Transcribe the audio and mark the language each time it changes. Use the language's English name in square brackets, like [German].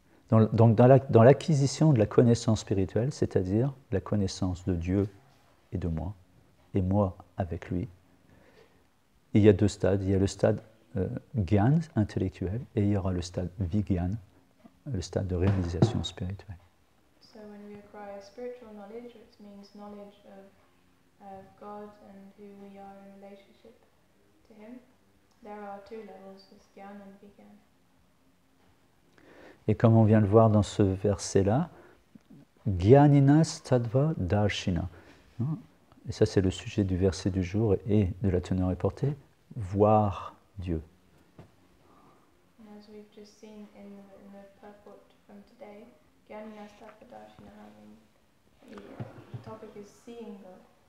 [French] Donc dans l'acquisition de la connaissance spirituelle, c'est-à-dire la connaissance de Dieu et de moi, et moi avec lui, il y a deux stades. Il y a le stade gyan intellectuel et il y aura le stade vigyan, le stade de réalisation spirituelle. [English] So when we acquire spiritual knowledge, it means knowledge of God and who we are in relationship to Him. There are two levels, this gyan and vigyan. [French] Et comme on vient de voir dans ce verset-là, [Sanskrit] gyanina stadva darshina. [French] Et ça, c'est le sujet du verset du jour et de la teneur reportée, voir Dieu. [English] And as we've just seen in the purport from today, [Sanskrit] gyanina stadva darshina, [English] the topic is seeing God.